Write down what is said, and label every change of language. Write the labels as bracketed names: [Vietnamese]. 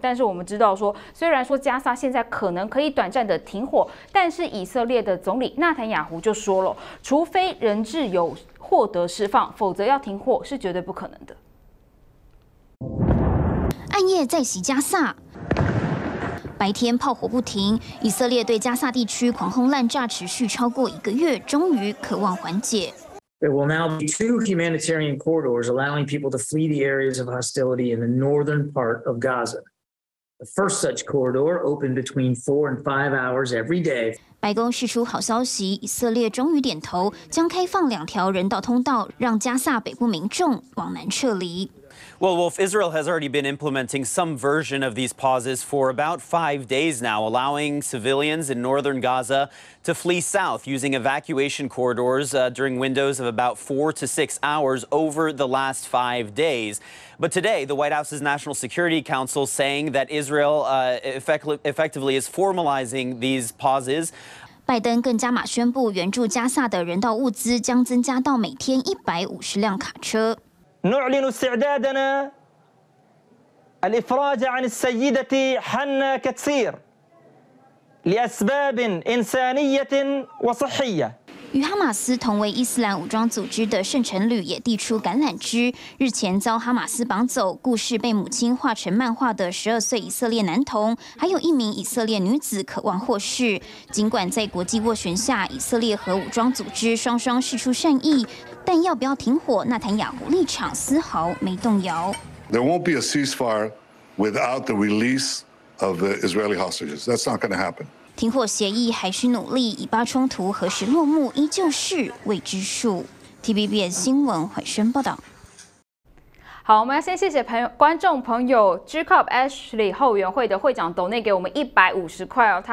[Chinese] 但是我们知道说，虽然说加萨现在可能可以短暂的停火，但是以色列的总理纳坦雅胡就说了，除非人质有获得释放，否则要停火是绝对不可能的。暗夜在袭加萨，白天炮火不停，以色列对加萨地区狂轰滥炸持续超过一个月，终于渴望缓解。 [English] There will now be two humanitarian corridors allowing people to flee the areas of hostility in the northern part of Gaza. The first such corridor opened between 4 and 5 hours every day. [Chinese] 白宫释出好消息，以色列终于点头，将开放两条人道通道，让加萨北部民众往南撤离。 [English] Well, Wolf, Israel has already been implementing some version of these pauses for about 5 days now, allowing civilians in northern Gaza to flee south using evacuation corridors during windows of about 4 to 6 hours over the last 5 days. But today, the White House's National Security Council saying that Israel effectively is formalizing these pauses. [Chinese] 拜登更加码宣布，援助加萨的人道物资将增加到每天150辆卡车。 [Arabic] نعلن استعدادنا الإفراج عن السيدة حنا كتسير لأسباب إنسانية وصحية. [Chinese] 与哈马斯同为伊斯兰武装组织的圣城旅也递出橄榄枝。日前遭哈马斯绑走、故事被母亲画成漫画的12岁以色列男童，还有一名以色列女子渴望获释。尽管在国际斡旋下，以色列和武装组织双双释出善意。但要不要停火，纳坦雅胡立场丝毫没动摇。 [English] There won't be a ceasefire without the release of the Israeli hostages. That's not going to happen. [Chinese] 停火协议还需努力，以巴冲突何时落幕依旧是未知数。 TVBS 新闻怀宣报道。好，我们要先谢谢观众朋友 GCOP Ashley 后援会的会长抖内给我们150块哦。